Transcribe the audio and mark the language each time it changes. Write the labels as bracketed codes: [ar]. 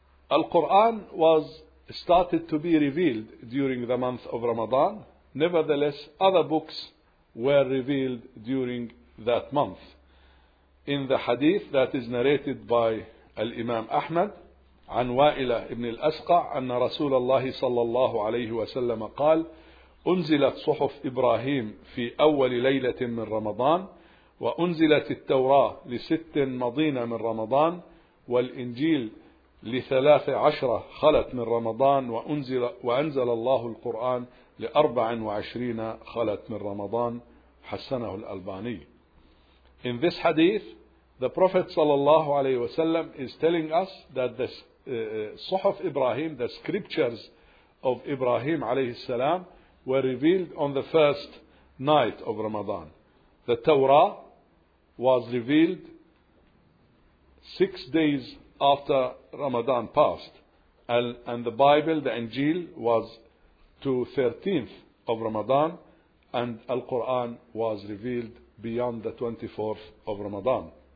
[en] Al-Quran was started to be revealed during the month of Ramadan. Nevertheless, other books were revealed during that month. In the hadith that is narrated by Al-Imam Ahmad, [ar] عن وائلة ابن الأسقع أن رسول الله صلى الله عليه وسلم قال: أنزلت صحف إبراهيم في أول ليلة من رمضان، وأنزلت التوراة لست مضين من رمضان، والإنجيل لثلاث عشرة خلت من رمضان، وأنزل الله القرآن لأربع وعشرين خلت من رمضان. حسنه الألباني. [en] In this hadith, the Prophet [ar] صلى الله عليه وسلم [en] is telling us that the Suhuf Ibrahim, the scriptures of Ibrahim [ar] عليه السلام, [en] were revealed on the first night of Ramadan. The Torah was revealed 6 days after Ramadan passed, and the Bible, the Injil, was to 13th of Ramadan, and Al-Quran was revealed beyond the 24th of Ramadan.